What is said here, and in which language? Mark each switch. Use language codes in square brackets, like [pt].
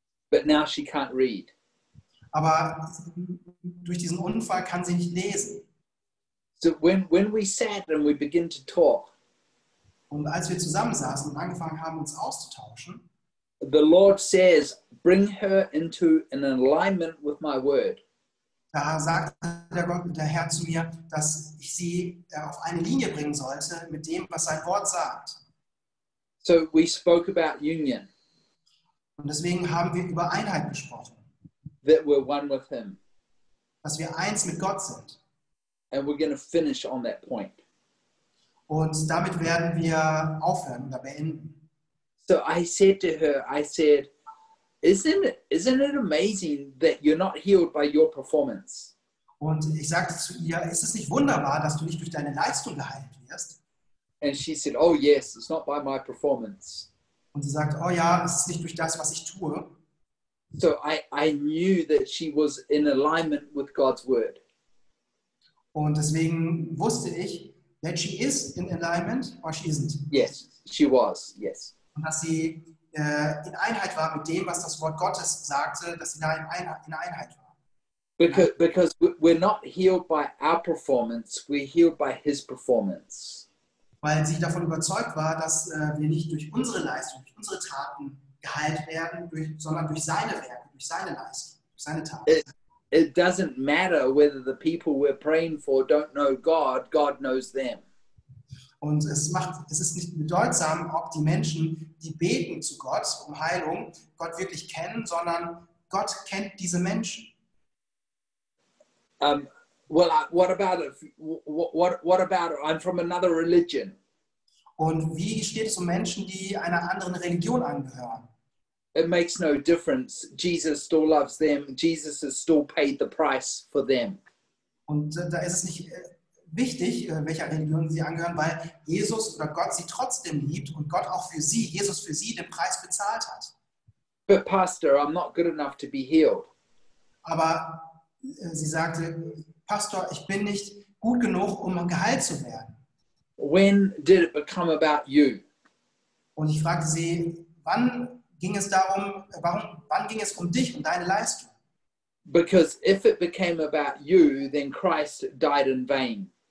[en] But now she can't read. [de] Aber durch diesen Unfall kann sie nicht lesen. [en] So when we sat and we begin to talk. [de] Und als wir zusammen saßen und angefangen haben uns auszutauschen. [en] The Lord says, bring her into an alignment with my word. [de] Da sagt der Gott, der Herr zu mir, dass ich sie auf eine Linie bringen sollte mit dem, was sein Wort sagt. [en] So we spoke about union. [de] Und deswegen haben wir über Einheit gesprochen. [en] That we're one with him. [de] Dass wir eins mit Gott sind. [en] And we're going to finish on that point. [de] Und damit werden wir aufhören oder beenden. [en] So I said to her, I said, Isn't it amazing that you're not healed by your performance? [de] Und ich sagte zu ihr, ist es nicht wunderbar, dass du nicht durch deine Leistung geheilt wirst? [en] And she said, oh yes, it's not by my performance. [de] Und sie sagt, oh ja, es ist nicht durch das, was ich tue. [en] So I knew that she was in alignment with God's word. [de] Und deswegen wusste ich, [en] that she is in alignment or she isn't. Yes, she was. Yes. [de] Und dass sie in Einheit war mit dem, was das Wort Gottes sagte, dass sie da in Einheit war. [en] Because we're not healed by our performance, we're healed by his performance. [de] Weil sie davon überzeugt war, dass wir nicht durch unsere Leistung, durch unsere Taten geheilt werden, sondern durch seine Werke, durch seine Leistung, durch seine Taten. [en] It doesn't matter whether the people we're praying for don't know God, God knows them. [de] Und es ist nicht bedeutsam, ob die Menschen, die beten zu Gott um Heilung, Gott wirklich kennen, sondern Gott kennt diese Menschen. [en] What about it? I'm from another religion. [de] Und wie steht es um Menschen, die einer anderen Religion angehören? [en] It makes no difference. Jesus still loves them. Jesus has still paid the price for them. [de] Und da ist es nicht wichtig, welcher Religion sie angehören, weil Jesus oder Gott sie trotzdem liebt und Gott auch für sie, Jesus für sie den Preis bezahlt hat. [en] But Pastor, I'm not good enough to be healed. [de] Aber sie sagte, Pastor, ich bin nicht gut genug, um geheilt zu werden. [en] When did it become about you? [de] Und ich fragte sie, wann ging es um dich und deine Leistung? [en] Because if it became about you, then Christ died in vain.